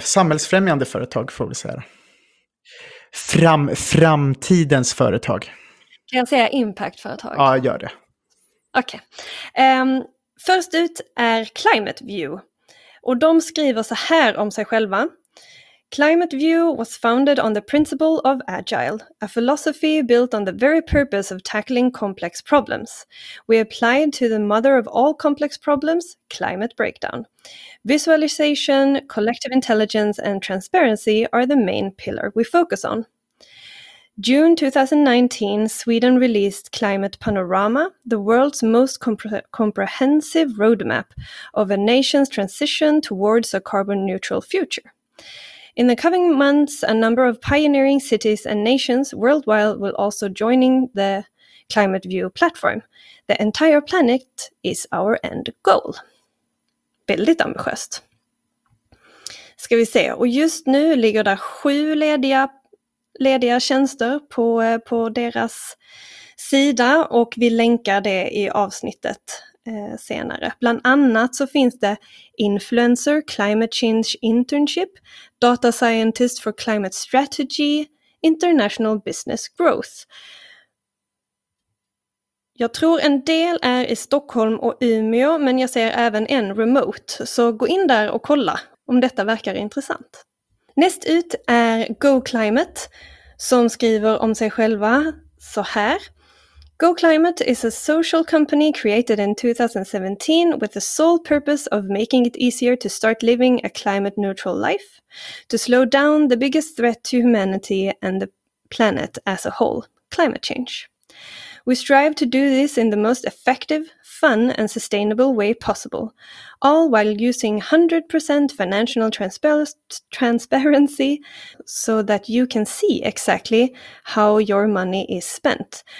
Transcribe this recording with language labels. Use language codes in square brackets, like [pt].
[sv] Samhällsfrämjande företag får vi säga. Framtidens företag. Kan jag säga impactföretag? Ja, gör det. Okej. Först ut är Climate View. Och de skriver så här om sig själva. [en] Climate View was founded on the principle of agile, a philosophy built on the very purpose of tackling complex problems. We applied to the mother of all complex problems, climate breakdown. Visualization, collective intelligence and transparency are the main pillar we focus on. June 2019, Sweden released Climate Panorama, the world's most comprehensive roadmap of a nation's transition towards a carbon neutral future. In the coming months, a number of pioneering cities and nations worldwide will also joining the Climate View platform. The entire planet is our end goal. [sv] Väldigt ambitiöst. Ska vi se. Och just nu ligger där 7 lediga tjänster på deras sida, och vi länkar det i avsnittet senare. Bland annat så finns det Influencer Climate Change Internship, Data Scientist for Climate Strategy, International Business Growth. Jag tror en del är i Stockholm och Umeå, men jag ser även en remote. Så gå in där och kolla om detta verkar intressant. Näst ut är Go Climate, som skriver om sig själva så här. [en] Go Climate is a social company created in 2017 with the sole purpose of making it easier to start living a climate neutral life, to slow down the biggest threat to humanity and the planet as a whole, climate change. We strive to do this in the most effective, fun and sustainable way possible, all while using 100% financial transparency so that you can see exactly how your money is spent.